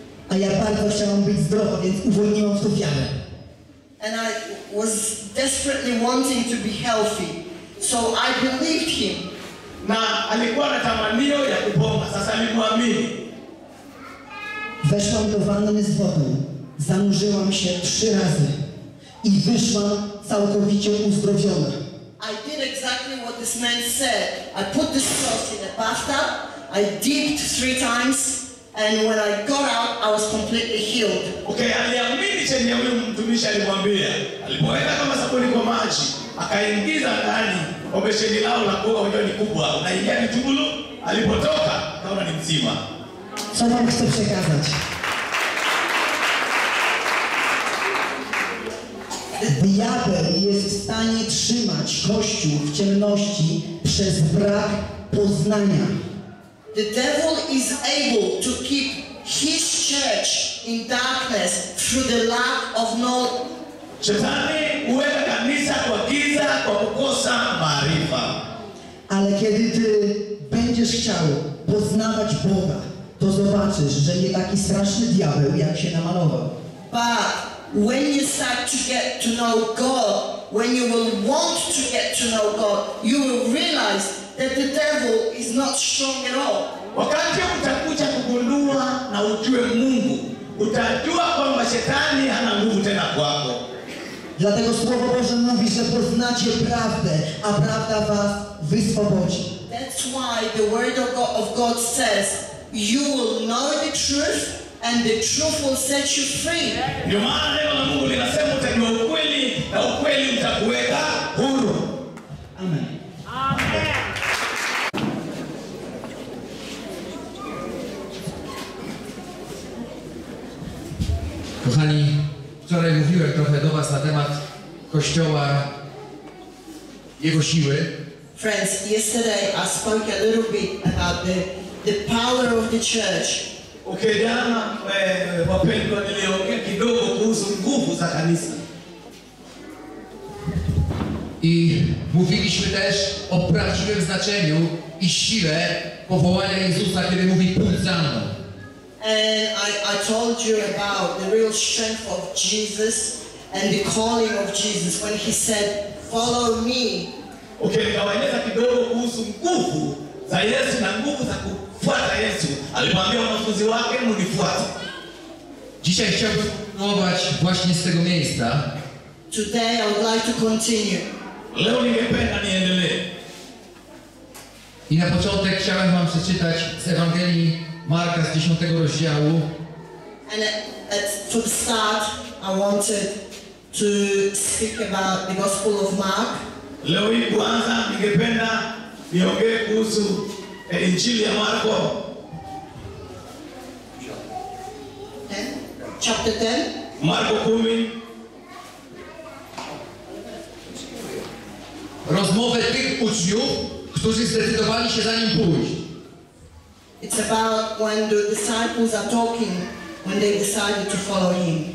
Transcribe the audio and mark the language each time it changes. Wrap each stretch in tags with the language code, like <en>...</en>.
<pl>A ja bardzo chciałam być zdrowa, więc uwolniłam tą wiarę.</pl> <en>And I was desperately wanting to be healthy, so I believed him.</en> <sw>Na alikuwa na tamanio ya kupona, sasa nilimwamini.</sw> <pl>Weszłam do wanny z wodą. Zanurzyłam się trzy razy i wyszłam całkowicie uzdrowiona.</pl> <en>I did exactly what this man said. I put the sauce in the bathtub, I dipped three times, and when I got out, I was completely healed.</en> <sw>Okay, aliamini chenye huyu mtumishi alimwambia. Alipoenda kama sabuni kwa maji, akaingiza ndani obesheni lao la kuoga, unajua ni kubwa, unaingia ni tubulu, alipotoka, akaona ni mzima.</sw> <pl>Co wam chcę przekazać? Diabeł jest w stanie trzymać Kościół w ciemności przez brak poznania.</pl> <en>The devil is able to keep his church in darkness through the lack of knowledge.</en> <sw>Szatani uweka kanisa kwa giza kwa kukosa maarifa.</sw> <pl>Ale kiedy ty będziesz chciał poznawać Boga, to zobaczysz, że nie taki straszny diabeł, jak się namalował.</pl> <en>But when you start to get to know God, when you will want to get to know God, you will realize that the devil is not strong at all.</en> <sw>Wakati utakuja kugundua na ujue Mungu, utajua kwamba shetani hana nguvu tena kwako.</sw> <pl>Dlatego Słowo Boże mówi, że poznacie prawdę, a prawda was wyswobodzi.</pl> <en>That's why the word of God says, you will know the truth, and the truth will set you free.</en> <sw>Ndio maana neno la Mungu linasema utajua ukweli na ukweli utakuweka huru.</sw> <en>Amen. Amen.</en> <pl>Kochani, wczoraj mówiłem trochę do was na temat Kościoła, jego siły.</pl> <en>Friends, yesterday I spoke a little bit about the power of the church.</en> <sw>Okay, jana wapendwa, niliongea kidogo kuhusu nguvu za kanisa.</sw> <pl>I mówiliśmy też o prawdziwym znaczeniu i sile powołania Jezusa, kiedy mówi pójdź za mną.</pl> <en>And I told you about the real strength of Jesus and the calling of Jesus when he said, follow me.</en> <sw>Okay, nikawaeleza kidogo kuhusu nguvu za Yesu na nguvu za kufuata Yesu. Alimwambia wanafunzi wake mnifuate.</sw> <pl>Dzisiaj chciałbym kontynuować właśnie z tego miejsca.</pl> <en>Today I would like to continue.</en> <sw>Leo ningependa niendelee.</sw> <pl>I na początek chciałem wam przeczytać z Ewangelii Marka z 10 rozdziału.</pl> <en>And to start, I wanted to speak about the Gospel of Mark.</en> <sw>Leo hii kwanza ningependa niongee kuhusu Injili ya Marko.</sw> <en>Chapter 10.</en> <sw>Marko 10.</sw> <pl>Rozmowę tych uczniów, którzy zdecydowali się za nim pójść.</pl> <en>It's about when the disciples are talking, when they decided to follow him.</en>